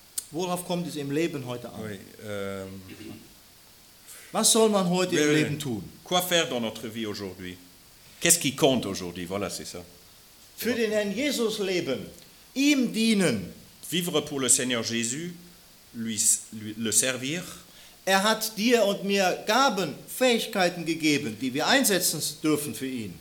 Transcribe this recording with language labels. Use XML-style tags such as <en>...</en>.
<de>Worauf kommt es im Leben heute an?</de> <fr>Oui,</fr> <de>Was soll man heute im Leben tun?</de> <fr>Quoi faire dans notre vie aujourd'hui? Qu'est-ce qui compte aujourd'hui? Voilà, c'est ça.</fr> <de>Für den Herrn Jesus leben, ihm dienen.</de> <fr>Vivre pour le Seigneur Jésus, lui le servir.</fr> <de>Er hat dir und mir Gaben, Fähigkeiten gegeben, die wir einsetzen dürfen für ihn.</de>